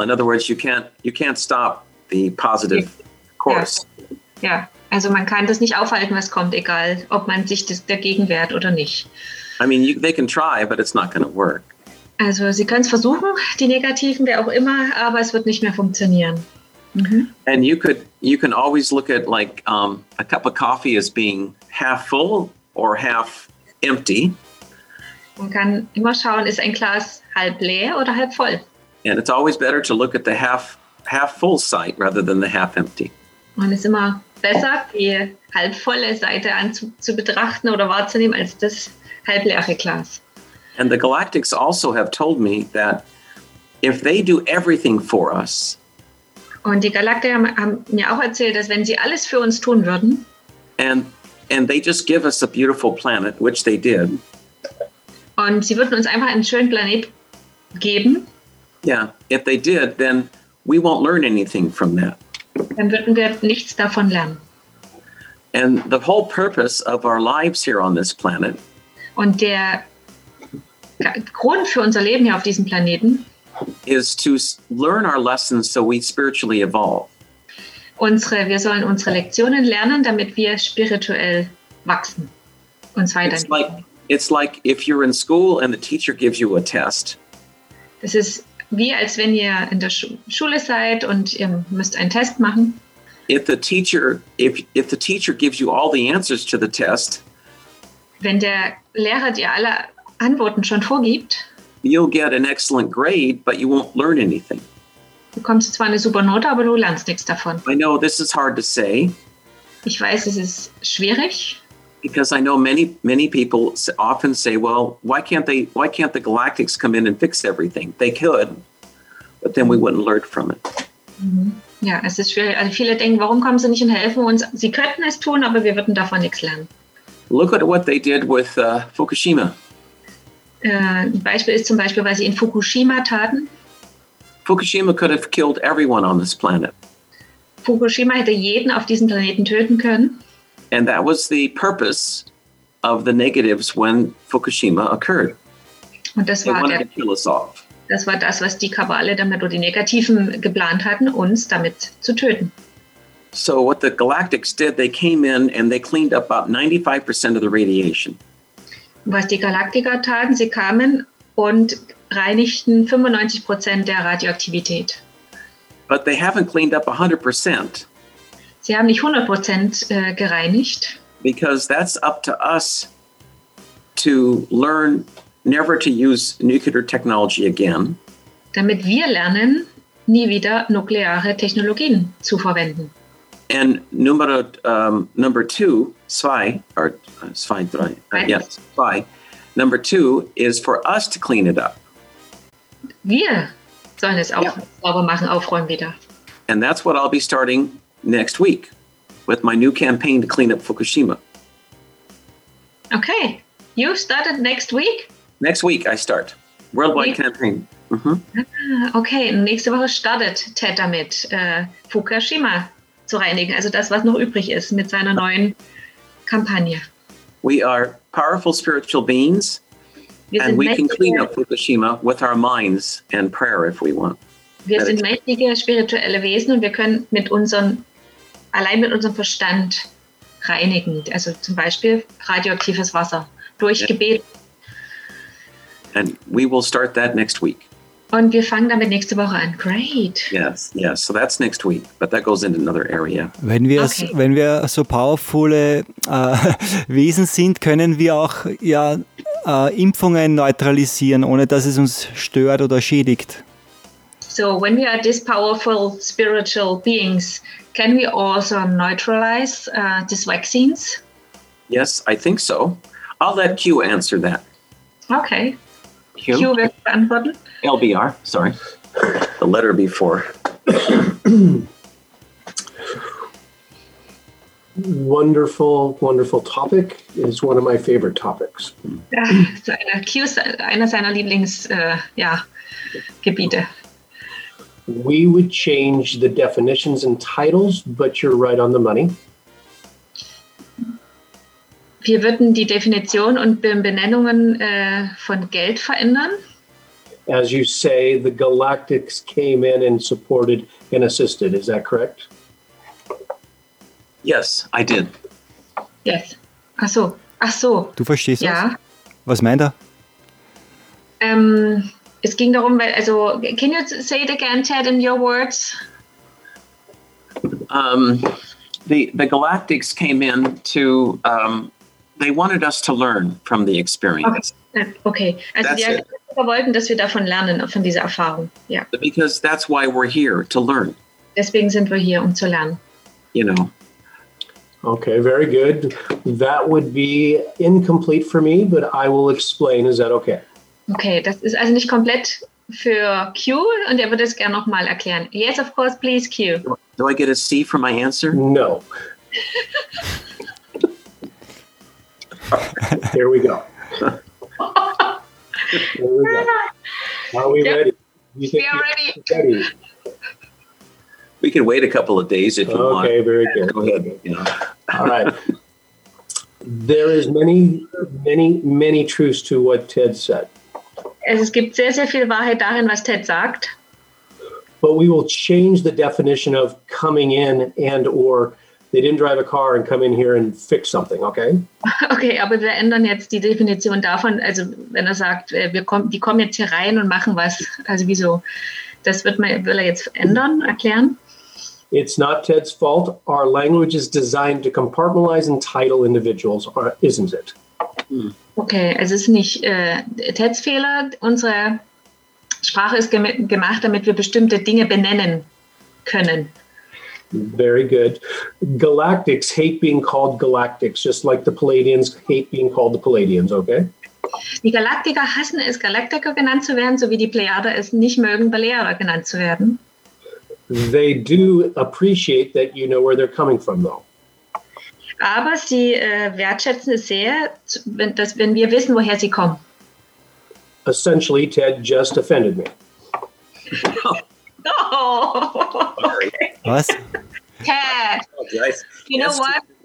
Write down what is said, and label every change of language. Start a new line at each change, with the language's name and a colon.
English: In other words, you can't stop the positive course.
German: Ja, also man kann das nicht aufhalten, was kommt, egal ob man sich das dagegen wehrt oder nicht.
English: I mean, they can try, but it's not going to work.
German: Also sie können es versuchen, die Negativen, wer auch immer, aber es wird nicht mehr funktionieren. Mhm.
English: And you can always look at like a cup of coffee as being half full or half empty.
German: Man kann immer schauen, ist ein Glas halb leer oder halb voll.
English: And it's always better to look at the half full side rather than the half empty.
German: Man ist immer besser, die halb volle Seite zu betrachten oder wahrzunehmen als das halb leere Glas.
English: And the Galactics also have told me that if they do everything for us.
German: Und die Galaktiker haben mir auch erzählt, dass wenn sie alles für uns tun würden.
English: And they just give us a beautiful planet, which they did.
German: Und sie würden uns einfach einen schönen Planet geben.
English: Yeah, if they did, then we won't learn anything from that.
German: Dann würden wir nichts davon lernen.
English: And the whole purpose of our lives here on this planet.
German: Und der Grund für unser Leben hier auf diesem Planeten
English: is to learn our lessons so we spiritually evolve.
German: Wir sollen unsere Lektionen lernen, damit wir spirituell wachsen und weiterentwickeln.
English: It's like if you're in school and the teacher gives you a test.
German: Das ist wie als wenn ihr in der Schule seid und ihr müsst einen Test machen.
English: If the teacher gives you all the answers to the test,
German: wenn der Lehrer dir alle Antworten schon vorgibt,
English: you'll get an excellent grade, but you won't learn anything.
German: Du bekommst zwar eine super Note, aber du lernst nichts davon.
English: I know this is hard to say.
German: Ich weiß, es ist schwierig.
English: Because I know many, many people often say, well, why can't the Galactics come in and fix everything? They could, but then we wouldn't learn from it.
German: Mm-hmm. Ja, es ist schwierig. Also viele denken, warum kommen sie nicht und helfen uns? Sie könnten es tun, aber wir würden davon nichts lernen.
English: Look at what they did with Fukushima.
German: Ein Beispiel ist zum Beispiel, was sie in Fukushima taten.
English: Fukushima could have killed everyone on this planet.
German: Fukushima hätte jeden auf diesem Planeten töten können.
English: And that was the purpose of the negatives when Fukushima occurred.
German: Und das war
English: to kill us off.
German: Das war das, was die Kabale damit oder die Negativen geplant hatten, uns damit zu töten.
English: So what the Galactics did, they came in and they cleaned up about 95% of the radiation.
German: Was die Galaktiker taten, sie kamen und reinigten 95% der Radioaktivität.
English: But they haven't cleaned up 100%.
German: Sie haben nicht 100% gereinigt.
English: Because that's up to us to learn never to use nuclear technology again.
German: Damit wir lernen, nie wieder nukleare Technologien zu verwenden.
English: And number two, zwei, yes, zwei, Number two is for us to clean it up.
German: Wir sollen es auch sauber machen, aufräumen wieder.
English: And that's what I'll be starting next week with my new campaign to clean up Fukushima. Okay. You started next week? Next week I start. Worldwide campaign. Mhm.
German: Okay, nächste Woche startet Ted damit, Fukushima zu reinigen, also das, was noch übrig ist mit seiner neuen Kampagne.
English: We are powerful spiritual beings, and we can clean up Fukushima with our minds and prayer if we want.
German: Wir sind mächtige spirituelle Wesen und wir können allein mit unserem Verstand reinigen, also zum Beispiel radioaktives Wasser durch Gebet. And we will start that next week. Und wir fangen damit nächste Woche an. Great.
English: Yes. So that's next week. But that goes into another area.
German: Wenn wir so powervolle Wesen sind, können wir auch Impfungen neutralisieren, ohne dass es uns stört oder schädigt.
English: So when we are this powerful spiritual beings, can we also neutralize these vaccines? Yes, I think so. I'll let Q answer that. Okay. Q. LBR, sorry. The letter before. Wonderful, wonderful topic. It's one of my favorite topics. Q is one of
German: seiner Lieblings, Gebiete.
English: We would change the definitions and titles, but you're right on the money.
German: Wir würden die Definition und Benennungen von Geld verändern.
English: As you say, the Galactics came in and supported and assisted. Is that correct? Yes, I did. Yes.
German: Ach so. Du verstehst das? Ja. Was meint er? Es ging darum,
English: can you say it again, Ted, in your words? The Galactics came in to... they wanted us to learn from the experience.
German: Okay. Also that's die wollten, dass wir davon lernen, von dieser Erfahrung. Yeah.
English: Because that's why we're here, to learn.
German: Deswegen sind wir hier, um zu lernen.
English: You know. Okay, very good. That would be incomplete for me, but I will explain. Is that okay?
German: Okay, das ist also nicht komplett für Q, und er würde es gerne nochmal erklären.
English: Yes, of course, please, Q. Do I get a C for my answer? No. Here we go. Are we ready? You think we are ready. We can wait a couple of days if you want. Okay, very good. Go ahead. All right. There is many, many, many truths to what Ted said. Es gibt sehr, sehr viel Wahrheit darin, was Ted sagt. But we will change the definition of coming in and or... they didn't drive a car and come in here and fix something, okay?
German: Okay, aber wir ändern jetzt die Definition davon, also wenn sagt, die kommen jetzt hier rein und machen was, also wieso? Das will jetzt ändern, erklären?
English: It's not Ted's fault. Our language is designed to compartmentalize and title individuals, isn't it?
German: Okay, also es ist nicht Ted's Fehler. Unsere Sprache ist gemacht, damit wir bestimmte Dinge benennen können.
English: Very good. Galactics hate being called Galactics, just like the Palladians hate being called the Palladians, okay?
German: Die Galaktiker hassen es, Galaktiker genannt zu werden, so wie die Plejader es nicht mögen, Balearer genannt zu werden.
English: They do appreciate that you know where they're coming from, though.
German: Aber sie wertschätzen es sehr, wenn wir wissen, woher sie kommen.
English: Essentially, Ted just offended me. Oh, okay.
German: Was?
English: Ted, you know what?